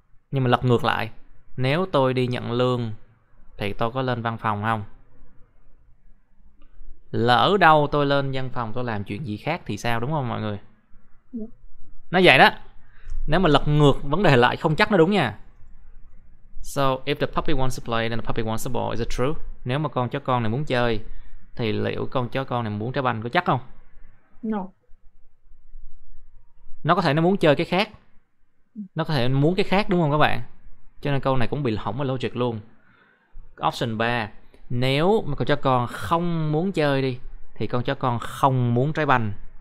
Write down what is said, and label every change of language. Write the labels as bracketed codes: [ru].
[vi] Nhưng mà lật ngược lại, nếu tôi đi nhận lương thì tôi có lên văn phòng không? Lỡ đâu tôi lên văn phòng tôi làm chuyện gì khác thì sao, đúng không mọi người? Nó vậy đó. Nếu mà lật ngược vấn đề lại không chắc nó đúng nha. [en] So if the puppy wants to play, then the puppy wants the ball. Is it true? [vi] Nếu mà con chó con này muốn chơi thì liệu con chó con này muốn trái banh có chắc không? [en] No. [vi] Nó có thể nó muốn chơi cái khác. Nó có thể muốn cái khác, đúng không các bạn? Cho nên câu này cũng bị hỏng ở logic luôn. Option 3. Nếu mà con chó con không muốn chơi đi thì con chó con không muốn trái banh.